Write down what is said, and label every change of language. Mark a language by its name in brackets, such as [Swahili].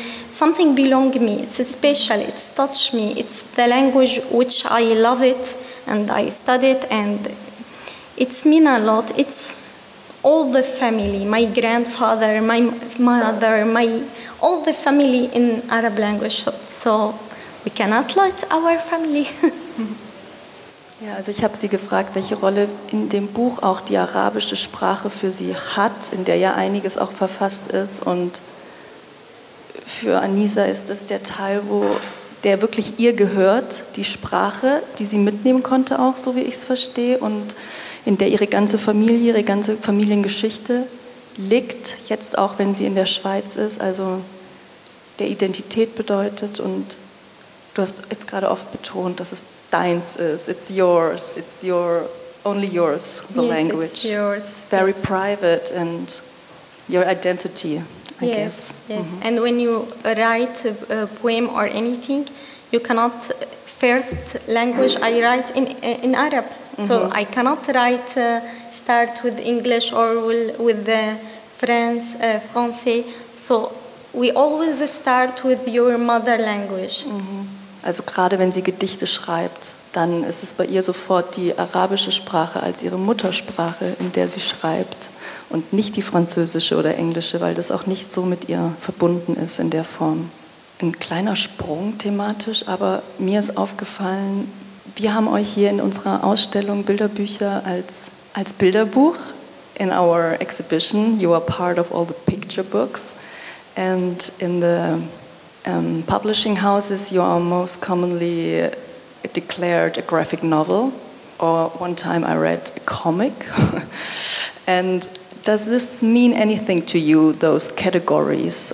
[English] something belong me, it's special, it's touch me, it's the language which I love it and I study it, and it's mean a lot, it's all the family, my grandfather, my mother, all the family in Arab language, so we cannot let our family. [German] Ja, also ich habe sie gefragt, welche Rolle in dem Buch auch die arabische Sprache für sie hat, in der ja einiges auch verfasst ist. Und für Anissa ist das der Teil, der wirklich ihr gehört, die Sprache, die sie mitnehmen konnte auch, so wie ich es verstehe, und in der ihre ganze Familie, ihre ganze Familiengeschichte liegt, jetzt auch, wenn sie in der Schweiz ist, also der Identität bedeutet. Und du hast jetzt gerade oft betont, dass es deins ist, [English] it's your, only yours, the yes, language. It's yours. It's very yes. Private and your identity, I yes, guess. Yes, mm-hmm. And when you write a poem or anything, you cannot, first language I write in Arab. So mm-hmm. I cannot write, start with English or with the French, Francais. So we always start with your mother language. [German] Also gerade wenn sie Gedichte schreibt, dann ist es bei ihr sofort die arabische Sprache als ihre Muttersprache, in der sie schreibt und nicht die französische oder englische, weil das auch nicht so mit ihr verbunden ist in der Form. Ein kleiner Sprung thematisch, aber mir ist aufgefallen, wir haben euch hier in unserer Ausstellung Bilderbücher als Bilderbuch. [English] In our exhibition, you are part of all the picture books. And in the publishing houses, you are most commonly declared a graphic novel. Or one time I read a comic. And does this mean anything to you, those categories?